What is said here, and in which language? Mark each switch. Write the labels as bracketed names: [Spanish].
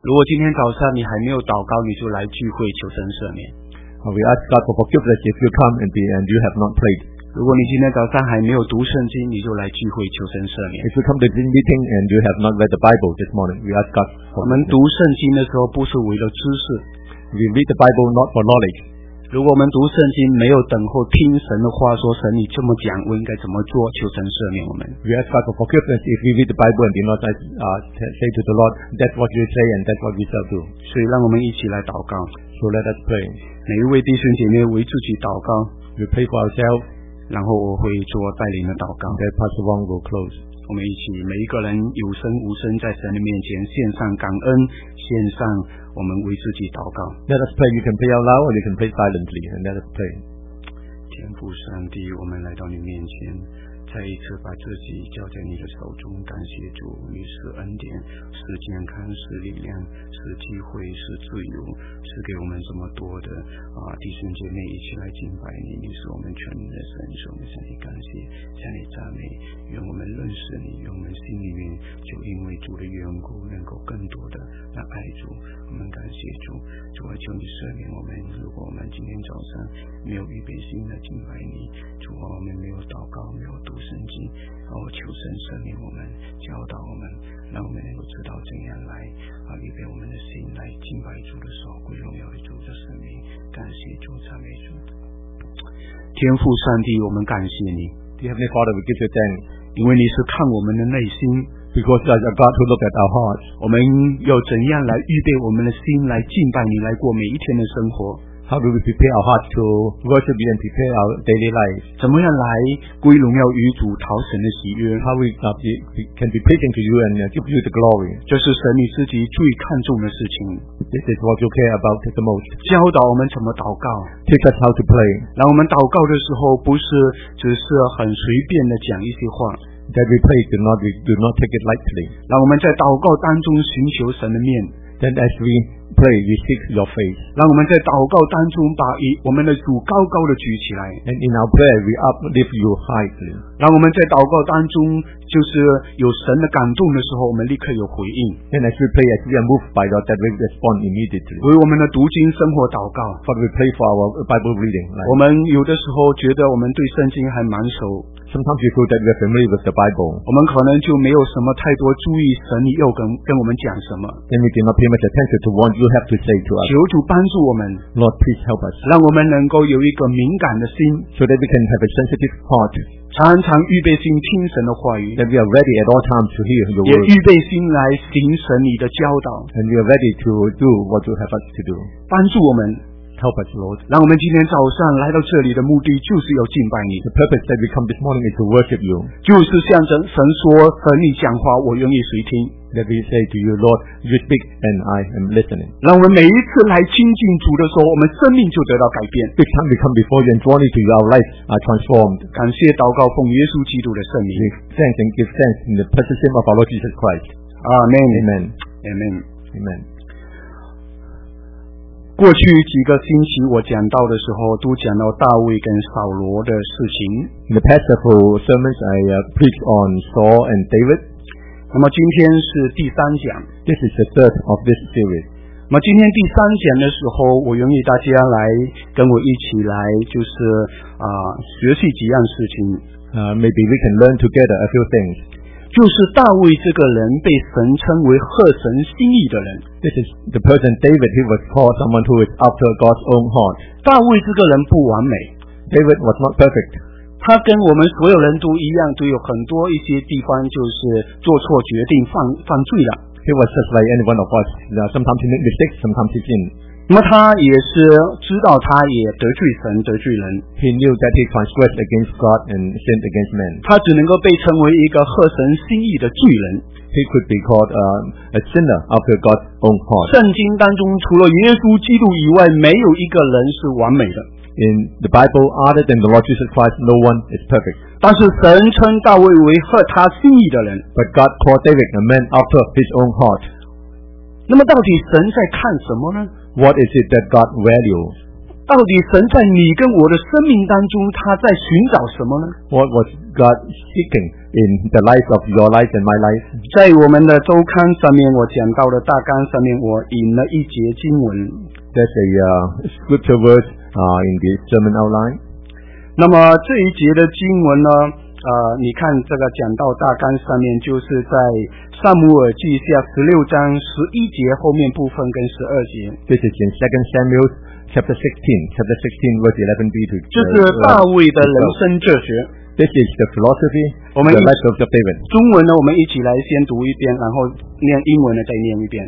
[Chinese] 如果今天早上你还没有祷告，你就来聚会求神赦免。 [English] We ask God for forgiveness if you come and you have not prayed. [Chinese] 如果你今天早上还没有读圣经，你就来聚会求神赦免。 [English] If you come to this meeting and you have not read the Bible this morning, we ask God. [Chinese] 我们读圣经的时候不是为了知识。 [English] We read the Bible not for knowledge. [Chinese] 如果我们读圣经没有等候听神的话，说神你这么讲，我应该怎么做？求神赦免我们。 [English] We ask God for forgiveness if we read the Bible and do not say to the Lord, that's what you say and that's what we shall do. [Chinese] 所以让我们一起来祷告。 [English] So let us pray. [Chinese] 每一位弟兄姐妹为自己祷告。 [English] We pray for ourselves. [Chinese] 然后我会做带领的祷告。 [English] That Pastor Wong will close. [Chinese] 我们一起每一个人有声无声在神的面前献上感恩，献上我们为自己祷告。 [English] Let us pray. You can pray out loud or you can pray silently. And let us pray. [Chinese] 天父上帝，我们来到你面前，再一次把自己交在你的手中，感谢主，你是恩典，是健康，是力量，是机会，是自由，是给我们这么多的弟兄姐妹一起来敬拜你。你是我们全能的神，是我们向你感谢，向你赞美。愿我们认识你，愿我们心里面就因为主的缘故，能够更多的来爱主。我们感谢主，主啊，求你赦免我们。如果我们今天早上没有预备心的敬拜你，主啊，我们没有祷告，没有读圣经，然后求神赦免我们，教导我们，让我们能够知道怎样来预备我们的心来敬拜主的时候，归荣耀于主的圣名，感谢主，赞美主。天父上帝，我们感谢你。 [English] Dear Heavenly Father, we give you thanks. [Chinese] 因为你是看我们的内心。 [English] Because you are God who look at our hearts. [Chinese] 我们要怎样来预备我们的心来敬拜你，来过每一天的生活。 [English] How do we prepare our hearts to worship you and prepare our daily life? [Chinese] 怎么样来归荣耀于主，讨神的喜悦？ [English] How we can be patient to you and give you the glory? [Chinese] 这是神你自己最看重的事情。 [English] This is what you care about the most. [Chinese] 教导我们怎么祷告。 [English] Teach us how to pray. [Chinese] 让我们祷告的时候不是只是很随便的讲一些话。 [English] That we pray do not take it lightly. [Chinese] 让我们在祷告当中寻求神的面。 [English] Then as we pray, we seek your face. [Chinese] 让我们在祷告当中把我们的主高高的举起来。 [English] And in our prayer, we uplift you highly. [Chinese] 让我们在祷告当中，就是有神的感动的时候，我们立刻有回应。 [English] Then as we pray, as we are moved by God, that we respond immediately. [Chinese] 为我们的读经生活祷告。 [English] But we pray for our Bible reading. [Chinese] 我们有的时候觉得我们对圣经还蛮熟。 [English] Sometimes we feel that we are familiar with the Bible. [Chinese] 我们可能就没有什么太多注意神你要跟我们讲什么。 [English] Then we do not pay much attention to what you have to say to us. [Chinese] 求主帮助我们。 [English] Lord, please help us. [Chinese] 让我们能够有一个敏感的心。 [English] So that we can have a sensitive heart. [Chinese] 常常预备心听神的话语。 [English] That we are ready at all times to hear your word. [Chinese] 也预备心来行神你的教导。 [English] And we are ready to do what you have us to do. [Chinese] 帮助我们。 [English] Help us, Lord. [Chinese] 让我们今天早上来到这里的目的就是要敬拜你。 [English] The purpose that we come this morning is to worship you. [Chinese] 就是向神说和你讲话，我愿意随听。 [English] Let me say to you, Lord, you speak and I am listening. [Chinese] 让我们每一次来亲近主的时候，我们生命就得到改变。 [English] Each time we come before you and draw near to you, our lives are transformed. [Chinese] 感谢祷告奉耶稣基督的圣名。 [English] Thanks and give thanks in the precious name of our Lord Jesus Christ. Amen. Amen. Amen. Amen. [Chinese] 过去几个星期我讲到的时候都讲到大卫跟扫罗的事情。 [English] In the past several sermons, I preached on Saul and David. [Chinese] 那么今天是第三讲。 [English] This is the third of this series. [Chinese] 那么今天第三讲的时候，我愿意大家来跟我一起来，就是学习几样事情。 [English] Maybe we can learn together a few things. [Chinese] 就是大卫这个人被神称为合神心意的人。 [English] This is the person David. He was called someone who is after God's own heart. [Chinese] 大卫这个人不完美。 [English] David was not perfect. [Chinese] 他跟我们所有人都一样，都有很多一些地方就是做错决定，犯罪了。 [English] He was just like any one of us. Sometimes he made mistakes. Sometimes he sinned. [Chinese] 那么他也是知道，他也得罪神，得罪人。 [English] He knew that he transgressed against God and sinned against man. [Chinese] 他只能够被称为一个合神心意的罪人。 [English] He could be called a sinner after God's own heart. [Chinese] 圣经当中除了耶稣基督以外，没有一个人是完美的。 [English] In the Bible, other than the Lord Jesus Christ, no one is perfect. [Chinese] 但是神称大卫为合他心意的人。 [English] But God called David a man after His own heart. [Chinese] 那么到底神在看什么呢？ [English] What is it that God values? [Chinese] 到底神在你跟我的生命当中，他在寻找什么呢？ [English] What was God seeking in the life of your life and my life. [Chinese] 在我们的周刊上面，我讲到了大纲上面，我引了一节经文。 [English] That's a scripture verse in the sermon outline. [Chinese] 那么这一节的经文呢？你看这个讲到大纲上面，就是在撒母耳记下16章11节后面部分跟12节。 [English] This is in 2 Samuel chapter 16, chapter 16 verse 11b to [Chinese] 就是大卫的人生哲学。 [English] This is the philosophy, the life of David. [Chinese] 中文呢，我们一起来先读一遍，然后念英文的再念一遍。